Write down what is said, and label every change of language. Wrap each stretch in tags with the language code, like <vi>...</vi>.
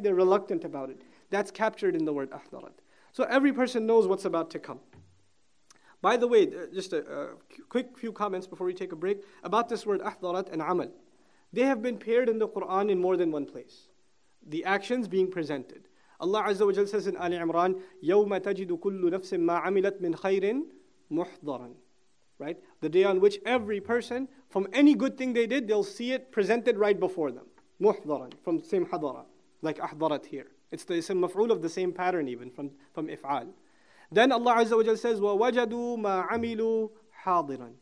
<en>They're reluctant about it. That's captured in the word أحضرت. So every person knows what's about to come. By the way, just a quick few comments before we take a break about this word أحضرت and عمل. They have been paired in the Qur'an in more than one place. The actions being presented. Allah Azza wa Jal says in Ali Imran,</en> <ar>يَوْمَ تَجِدُ كُلُّ نَفْسٍ مَا عَمِلَتْ مِنْ خَيْرٍ مُحْضَرًا.</ar> <en>Right? The day on which every person, from any good thing they did, they'll see it presented right before them.</en> <ar>مُحْضَرًا.</ar> <en>From the same حَضَرًا. Like أحضرت here. It's the same maf'ul of the same pattern even, from if'al. Then Allah Azza wa Jal says,</en> <ar>وَوَجَدُوا مَا عَمِلُوا حَاضِرًا.</ar>